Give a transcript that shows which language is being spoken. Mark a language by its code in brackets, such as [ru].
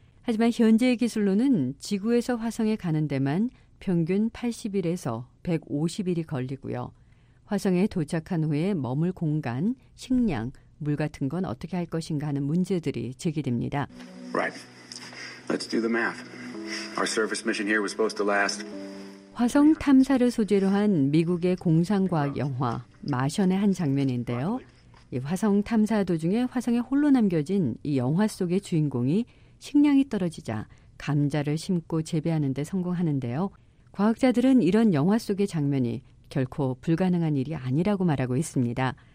[ko] 하지만 현재의 기술로는 지구에서 화성에 가는 데만 평균 80일에서 150일이 걸리고요. 화성에 도착한 후에 머물 공간, 식량, 물 같은 건 어떻게 할 것인가 하는 문제들이 제기됩니다. [en] Right. Let's do the math. Our service mission here was supposed to last. [ko] 화성 탐사를 소재로 한 미국의 공상과학 영화 마션의 한 장면인데요. 이 화성 탐사 도중에 화성에 홀로 남겨진 이 영화 속의 주인공이 식량이 떨어지자 감자를 심고 재배하는 데 성공하는데요. 과학자들은 이런 영화 속의 장면이 결코 불가능한 일이 아니라고 말하고 있습니다.